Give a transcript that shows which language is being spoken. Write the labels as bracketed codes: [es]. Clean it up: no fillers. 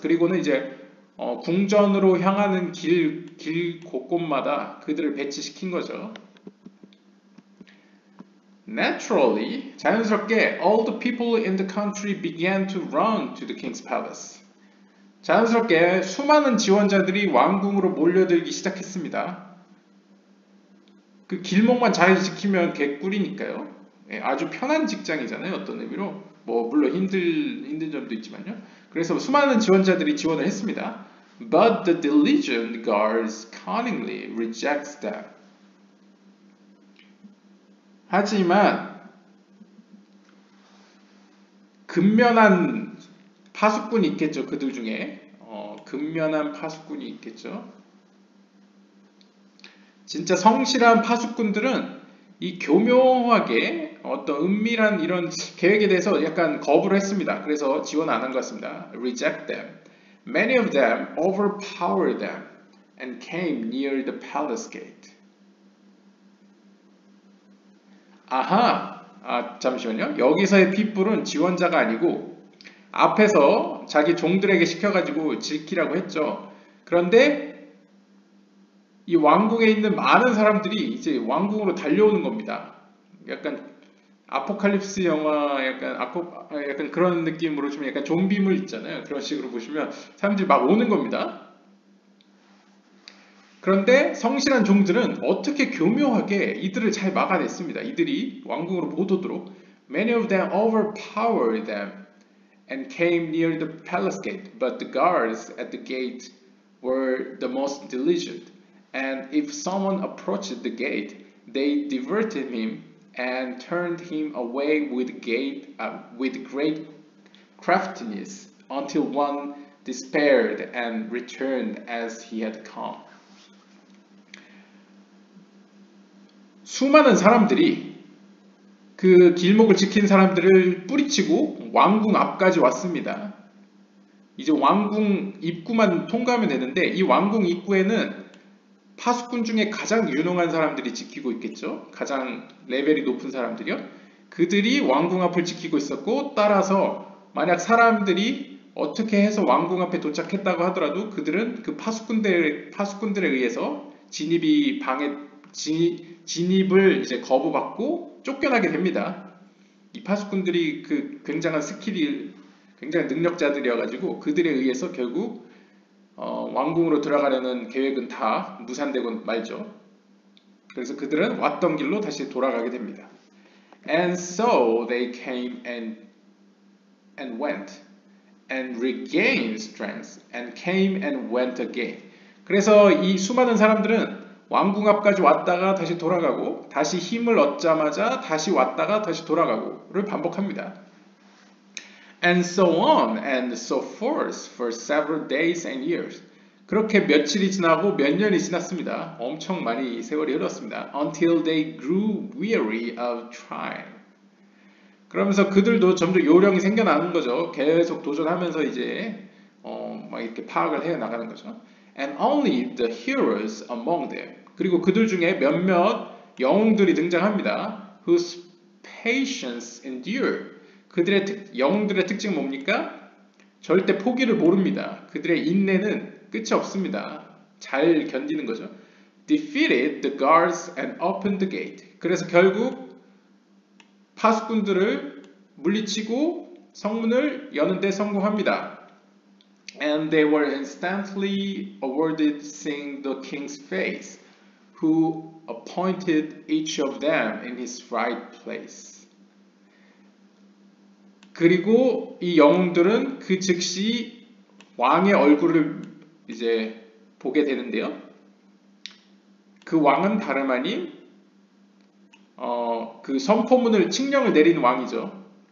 [ko] 그리고는 이제 궁전으로 향하는 길 곳곳마다 그들을 배치시킨 거죠. [en] Naturally, [ko] 자연스럽게 [en] all the people in the country began to run to the king's palace. [ko] 자연스럽게 수많은 지원자들이 왕궁으로 몰려들기 시작했습니다. 그 길목만 잘 지키면 개꿀이니까요. 예, 아주 편한 직장이잖아요, 어떤 의미로. 뭐 물론 힘든 점도 있지만요. 그래서 수많은 지원자들이 지원을 했습니다. [en] But the diligent guards cunningly rejects them. [ko] 하지만 근면한 파수꾼이 있겠죠. 그들 중에 근면한 파수꾼이 있겠죠. 진짜 성실한 파수꾼들은 이 교묘하게 어떤 은밀한 이런 계획에 대해서 약간 거부를 했습니다. 그래서 지원 안 한 것 같습니다. [en] Reject them. Many of them overpowered them and came near the palace gate. [ko] 아하! 아 잠시만요. 여기서의 핏불은 지원자가 아니고 앞에서 자기 종들에게 시켜가지고 지키라고 했죠. 그런데 이 왕궁에 있는 많은 사람들이 이제 왕궁으로 달려오는 겁니다. 약간 아포칼립스 영화 약간 그런 느낌으로 좀 약간 좀비물 있잖아요. 그런 식으로 보시면 사람들이 막 오는 겁니다. 그런데 성실한 종들은 어떻게 교묘하게 이들을 잘 막아냈습니다. 이들이 왕궁으로 못 오도록. [en] Many of them overpowered them and came near the palace gate. But the guards at the gate were the most diligent. And if someone approached the gate, they diverted him and turned him away with great craftiness until one despaired and returned as he had come. [ko] 수많은 사람들이 그 길목을 지킨 사람들을 뿌리치고 왕궁 앞까지 왔습니다. 이제 왕궁 입구만 통과하면 되는데 이 왕궁 입구에는 파수꾼 중에 가장 유능한 사람들이 지키고 있겠죠. 가장 레벨이 높은 사람들이요. 그들이 왕궁 앞을 지키고 있었고 따라서 만약 사람들이 어떻게 해서 왕궁 앞에 도착했다고 하더라도 그들은 그 파수꾼들에 의해서 진입을 이제 거부받고 쫓겨나게 됩니다. 이 파수꾼들이 그 굉장한 스킬이 굉장히 능력자들이어가지고 그들에 의해서 결국 왕궁으로 들어가려는 계획은 다 무산되고 말죠. 그래서 그들은 왔던 길로 다시 돌아가게 됩니다. [en] And so they came and went and regained strength and came and went again. [ko] 그래서 이 수많은 사람들은 왕궁 앞까지 왔다가 다시 돌아가고 다시 힘을 얻자마자 다시 왔다가 다시 돌아가고를 반복합니다. [en] And so on and so forth for several days and years. [ko] 그렇게 며칠이 지나고 몇 년이 지났습니다. 엄청 많이 세월이 흘렀습니다. [en] Until they grew weary of trying. [ko] 그러면서 그들도 점점 요령이 생겨나는 거죠. 계속 도전하면서 이제 막 이렇게 파악을 해 나가는 거죠. [en] And only the heroes among them. [ko] 그리고 그들 중에 몇몇 영웅들이 등장합니다. [en] Whose patience endured. [ko] 그들의 영웅들의 특징 뭡니까? 절대 포기를 모릅니다. 그들의 인내는 끝이 없습니다. 잘 견디는 거죠. [en] Defeated the guards and opened the gate. [ko] 그래서 결국 파수꾼들을 물리치고 성문을 여는 데 성공합니다. [en] And they were instantly awarded seeing the king's face, who appointed each of them in his right place. [ko] 그리고 이 영웅들은 그 즉시 왕의 얼굴을 이제 보게 되는데요. 그 왕은 다름 아닌 그 선포문을 칙령을 내린 왕이죠.